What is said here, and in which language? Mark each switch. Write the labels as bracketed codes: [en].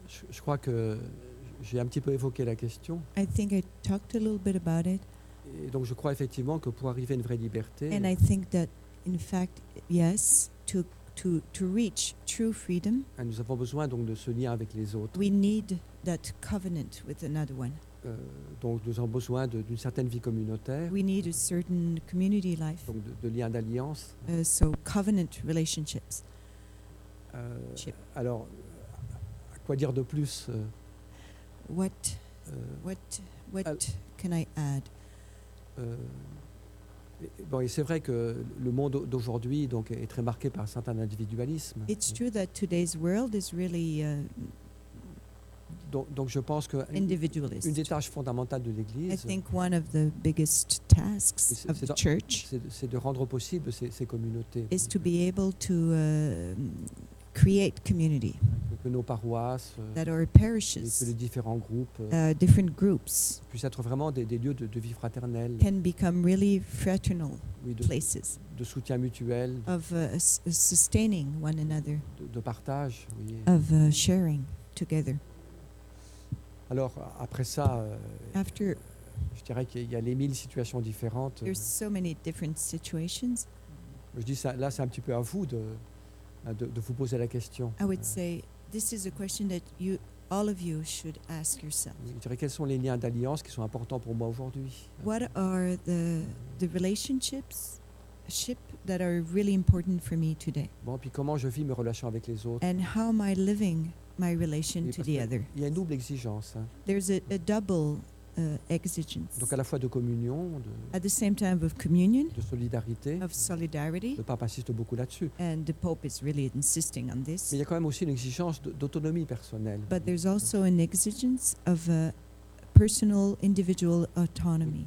[fr] Je crois que j'ai un petit peu évoqué la question. [en] I think I talked a little bit about it. [fr] Et donc je crois effectivement que pour arriver à une vraie liberté. [en] And I think that in fact yes to reach true freedom. [fr] Et nous avons besoin donc de ce lien avec les autres. [en] We need that covenant with another one. [fr] Donc nous avons besoin d'une certaine vie communautaire. [en] We need a certain community life. [fr] Donc de liens d'alliance. [en] So covenant relationships. [fr] Alors quoi dire de plus? [en] What can I add? [fr] Bon, et c'est vrai que le monde d'aujourd'hui donc est très marqué par un certain individualisme. [en] It's true that today's world is really [fr] donc je pense que une des tâches fondamentales de l'Église. [en] I think one of the biggest tasks of the church. [fr] C'est de rendre possible ces communautés. [en] Is to be able to create community. [fr] Que nos paroisses, [en] that our parishes, [fr] que les différents groupes, [en] different groups, [fr] puissent être vraiment des lieux de vie fraternelle, [en] can become really fraternal places, [fr] de soutien mutuel, [en] of sustaining one another, [fr] de partage, oui, [en] of sharing together. [fr] Alors après ça, [en] after, [fr] je dirais qu'il y a les mille situations différentes. [en] There's so many different situations. [fr] Je dis ça, là c'est un petit peu à vous de vous poser la question. [en] I would say this is a question that you, all of you, should ask yourself. [fr] Je dirais quels sont les liens d'alliance qui sont importants pour moi aujourd'hui. [en] What are the relationships that are really important for me today? [fr] Bon, puis comment je vis mes relations avec les autres? [en] And how am I living my relation to the other? [fr] Il y a une double exigence. [en] There's a double exigence. [fr] Donc à la fois de communion, de, [en] at the same time of communion, [fr] de solidarité. [en] Of solidarity. [fr] Le pape insiste beaucoup là-dessus. [en] And the Pope is really insisting on this. [fr] Mais il y a quand même aussi une exigence d'autonomie personnelle. [en] But there's also an exigence of personal individual autonomy.